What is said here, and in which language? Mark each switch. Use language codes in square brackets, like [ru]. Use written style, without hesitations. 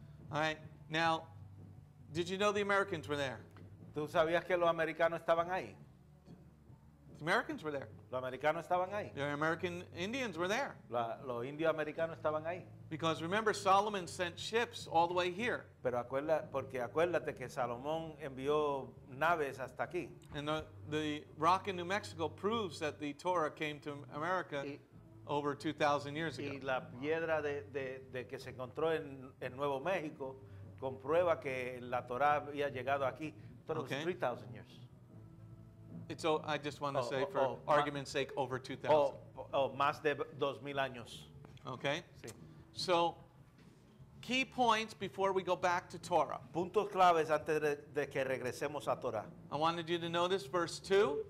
[en] All right. Now, did you know the Americans were there? [es] ¿Tú sabías que los americanos estaban ahí? [en] The Americans were there. [es] Los americanos estaban ahí. [en] The American Indians were there. [es] Los indios americanos estaban ahí. [en] Because remember, Solomon sent ships all the way here. [es] Pero acuérdate que Salomón envió naves hasta aquí. [en] And the rock in New Mexico proves that the Torah came to America over 2,000 years ago. [es] Y la piedra de que se encontró en Nuevo México comprueba que la Torah había llegado aquí 3,000 [en] years. It's I just want to say for argument's sake, over 2,000. [es] Oh, más de 2,000 años. [en] Okay. [es] Sí. [en] So, key points before we go back to Torah. [es] Puntos claves antes de que regresemos a Torah. [en] I wanted you to notice verse 2.